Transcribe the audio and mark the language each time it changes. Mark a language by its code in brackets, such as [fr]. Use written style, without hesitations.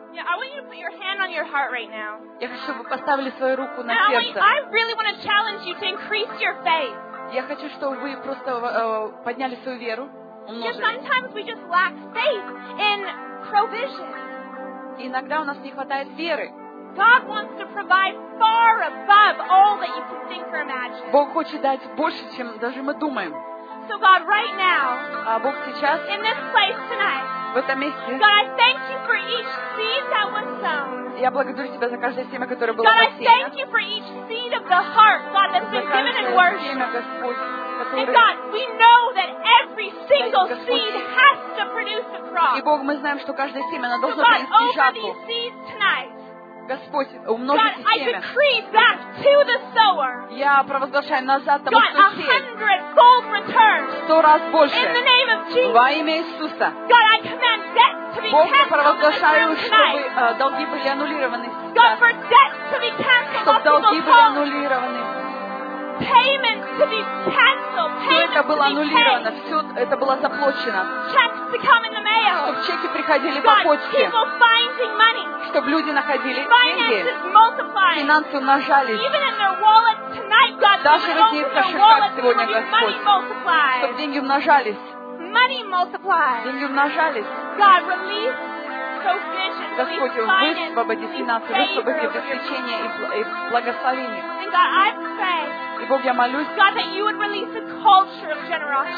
[en] Yeah, I want you to put your hand on your heart right now. [ru] Я хочу, чтобы вы поставили свою руку на сердце. [en] I really want to challenge you to increase your faith. [ru] Я хочу, чтобы вы просто подняли свою веру. [en] Because sometimes we just lack faith in provision. [ru] Иногда у нас не хватает веры. [en] God wants to provide far above all that you can think or imagine. [ru] Бог хочет дать больше, чем даже мы думаем. [en] So God, right now, [ru] Бог сейчас, [en] in this place tonight, [ru] в этом месте, [en] God, I thank you for each seed that was sown. [ru] Я благодарю тебя за каждое семя, которое было посеяно. [en] God, I thank you for each seed of the heart, God, that's been given in worship. [ru] Семя, Господь, [en] And God, we know that every single seed has to produce a crop. [ru] И Бог, мы знаем, что каждое семя оно должно [en] God, [ru] принести жатву. [en] Over these seeds tonight. [ru] Господь, умножите семя. [en] God, I decree back to the sower. [ru] Я провозглашаю назад тому, [en] God, [ru] кто сеет. [en] 100-fold return. [ru] 100 раз больше. [en] In the name of Jesus. [ru] Во имя Иисуса. [en] God, I command debt to be [ru] Бог, [en] canceled. [ru] Бог, провозглашаю, чтобы долги были аннулированы. [en] God, for debt to be canceled. [ru] Чтобы долги были аннулированы. [en] Payment to be canceled. [ru] Все это было аннулировано, все это было заплачено. [en] Checks to come in the mail. [ru] Чтобы чеки приходили [en] God, [ru] по почте. [en] People finding money. [ru] Чтобы люди находили [en] Finances [ru] деньги. [en] Multiplying. [ru] Финансы умножались. [en] Even in their wallet tonight, God, [ru] даже в их кошельках сегодня, Господь. Чтобы деньги умножались. [en] Money multiplied. [ru] Деньги умножались. [en] God, release provision. [ru] Господь, высвободи финансы, высвободи обеспечение и благословение. [en] And God, I pray. [ru] И Бог, я молюсь, [en] God, that you would release a culture of generosity,